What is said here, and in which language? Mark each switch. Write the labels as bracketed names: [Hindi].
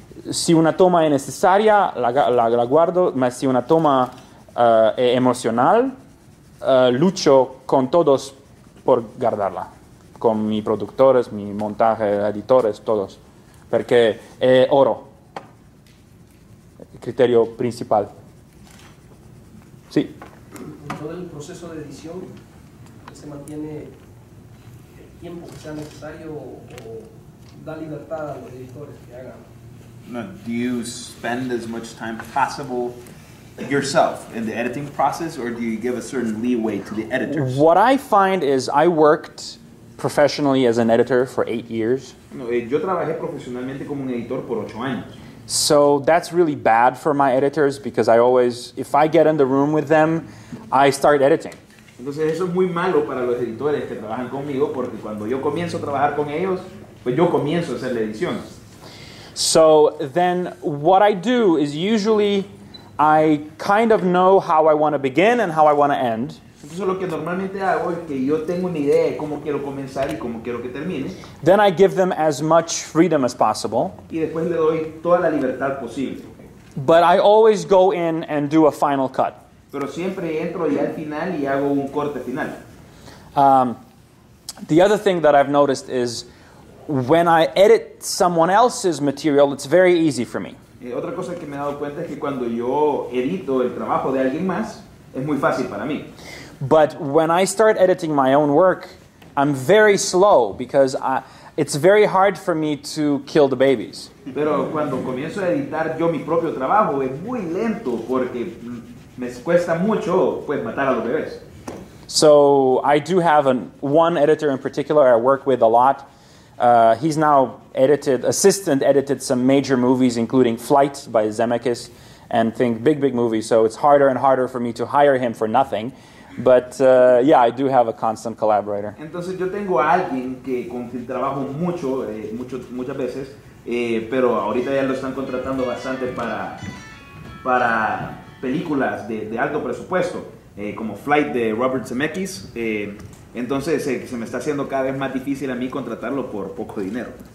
[Spanish] Si una toma es necesaria, la guardo, pero si una toma es emocional, lucho con todos por guardarla, con mis productores, mi montaje, editores, todos, porque es oro, criterio principal. Sí. Todo el proceso de edición se mantiene el tiempo que sea necesario o da libertad a los editores que hagan. [English] No, do you spend as much time possible yourself in the editing process, or do you give a certain leeway to the editors? What I find is I worked professionally as an editor for 8 years. [Spanish] No, yo trabajé profesionalmente como un editor por 8 años. [English] So that's really bad for my editors because I always, if I get in the room with them, I start editing. [Spanish] Entonces eso es muy malo para los editores que trabajan conmigo porque cuando yo comienzo a trabajar con ellos, pues yo comienzo a hacer la edición. [English] So then what I do is usually I kind of know how I want to begin and how I want to end. [Spanish] Entonces lo que normalmente hago es que yo tengo una idea de cómo quiero comenzar y cómo quiero que termine. [English] Then I give them as much freedom as possible. [Spanish] Y después le doy toda la libertad posible. [English] But I always go in and do a final cut. [Spanish] Pero siempre entro ya al final y hago un corte final. [English] The other thing that I've noticed is when I edit someone else's material, it's very easy for me. [Spanish] Otra cosa que me he dado cuenta es que cuando yo edito el trabajo de alguien más, es muy fácil para mí. [English] But when I start editing my own work, I'm very slow because it's very hard for me to kill the babies. [Spanish] Pero cuando comienzo a editar yo mi propio trabajo es muy lento porque me cuesta mucho pues matar a los bebés. [English] So I do have one editor in particular I work with a lot. He's now assistant edited some major movies, including Flight by Zemeckis, and think big movies. So it's harder and harder for me to hire him for nothing. But yeah, I do have a constant collaborator. [Spanish] Entonces yo tengo a alguien que con quien trabajo mucho, muchas veces, pero ahorita ya lo están contratando bastante para películas de alto presupuesto. Como Flight de Robert Zemeckis, entonces se me está haciendo cada vez más difícil a mí contratarlo por poco dinero.